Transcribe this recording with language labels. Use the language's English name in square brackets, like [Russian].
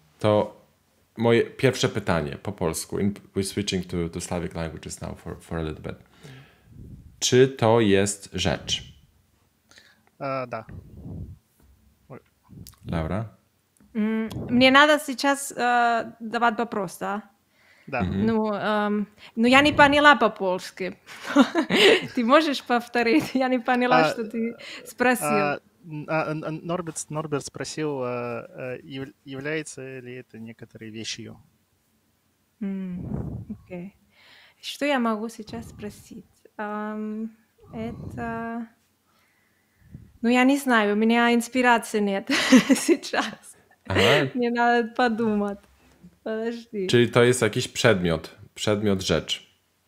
[Polish] To moje pierwsze pytanie po polsku. [English] We're switching to Slavic languages now for a little bit. [Polish] Czy to jest rzecz? [Russian] Da. Laura? Мне надо сейчас давать вопрос, да? Да. Ну, я не поняла по-польски. Ты можешь повторить? Я не поняла, что ты спросил. Норберт спросил, является ли это некоторой вещью. Окей. Что я могу сейчас спросить? Это... Ну, я не знаю, у меня инспирации нет сейчас. Мне надо подумать. Подожди. [Polish] Czyli to jest jakiś przedmiot, przedmiot, rzecz.